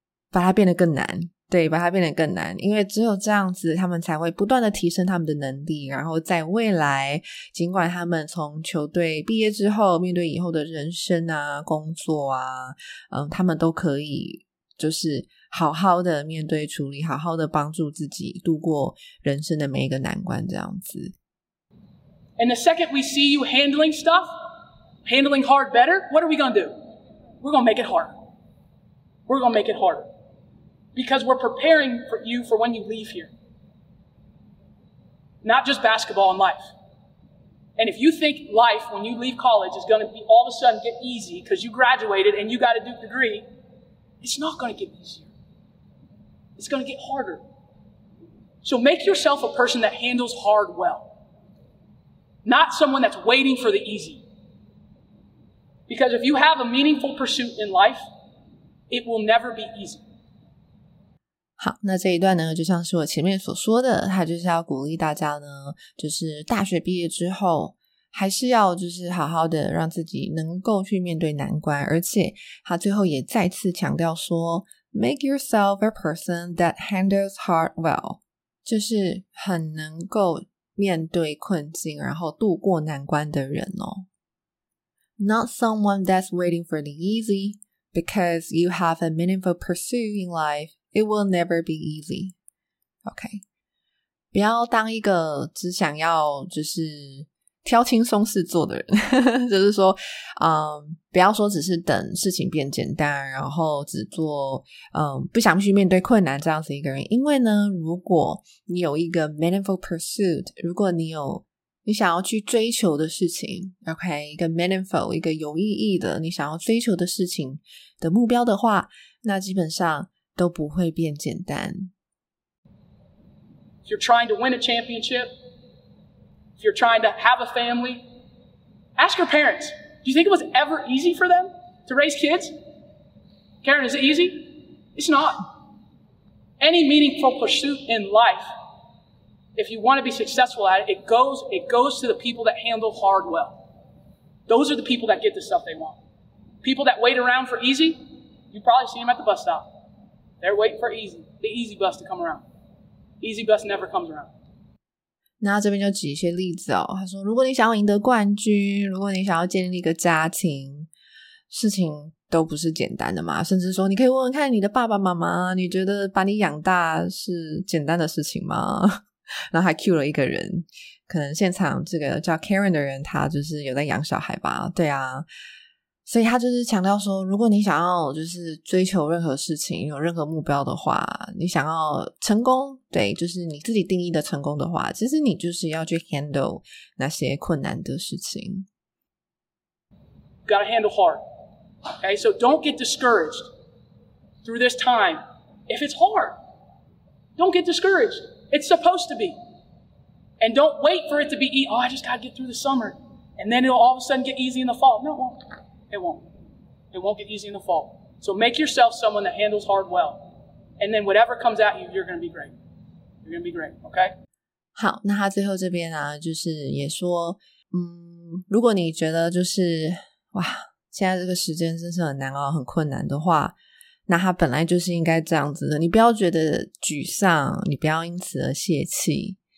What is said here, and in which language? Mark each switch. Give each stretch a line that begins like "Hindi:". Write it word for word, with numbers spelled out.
Chinese: 把它变得更难，对，把它变得更难，因为只有这样子，他们才会不断的提升他们的能力，然后在未来，尽管他们从球队毕业之后，面对以后的人生啊、工作啊，嗯，他们都可以就是好好的面对处理，好好的帮助自己度过人生的每一个难关，这样子。
English: And the second we see you handling stuff, handling hard better, what are we going to do? We're going to make it harder. We're going to make it harder. Because we're preparing for you for when you leave here. Not just basketball and life. And if you think life when you leave college is going to be all of a sudden get easy because you graduated and you got a Duke degree, it's not going to get easier. It's going to get harder. So make yourself a person that handles hard well. Not someone that's waiting for the easy. Because if you have a meaningful pursuit in life, it will never be easy.
Chinese: 好，那这一段呢，就像是我前面所说的，他就是要鼓励大家呢，就是大学毕业之后，还是要就是好好的让自己能够去面对难关，而且他最后也再次强调说
English: make yourself a person that handles hard well，
Chinese: 就是很能够面对困境，然后度过难关的人哦。
English: Not someone that's waiting for the easy because you have a meaningful pursuit in life. It will never be easy.
Chinese: OK， 不要当一个只想要就是挑轻松事做的人，就是说，嗯，不要说只是等事情变简单，然后只做嗯不想去面对困难这样子一个人。因为呢，如果你有一个
English: meaningful pursuit，
Chinese: 如果你有你想要去追求的事情 ，OK， 一个 meaningful， 一个有意义的你想要追求的事情的目标的话，那基本上。都不会变简单。
English: If you're trying to win a championship, if you're trying to have a family, ask your parents, do you think it was ever easy for them to raise kids? Karen, is it easy? It's not. Any meaningful pursuit in life, if you want to be successful at it, it goes, it goes to the people that handle hard well. Those are the people that get the stuff they want. People that wait around for easy, you probably see them at the bus stop. They're waiting for easy, the easy bus to come around. Easy bus never comes around.
Chinese: 那这边就举一些例子哦。他说，如果你想要赢得冠军，如果你想要建立一个家庭，事情都不是简单的嘛。甚至说，你可以问问看你的爸爸妈妈，你觉得把你养大是简单的事情吗？然后还 cue 了一个人，可能现场这个叫 Karen 的人，他就是有在养小孩吧？对啊。所以他就是强调说，如果你想要就是追求任何事情，有任何目标的话，你想要成功，对，就是你自己定义的成功的话，其实你就是要去 handle 那些困难的事情。
English: Got to handle hard. Okay, so don't get discouraged through this time. If it's hard, don't get discouraged. It's supposed to be. And don't wait for it to be easy. Oh, I just got to get through the summer, and then it'll all of a sudden get easy in the fall. No, it won't. It won't. It won't get easy in the fall. So make yourself someone that handles hard well. And then whatever comes at you, you're going to be great. You're going to be great, okay?
Chinese: 好，那他最后这边啊，就是也说，嗯，如果你觉得就是哇，现在这个时间真是很难熬、很困难的话，那他本来就是应该这样子的。你不要觉得沮丧，你不要因此而泄气。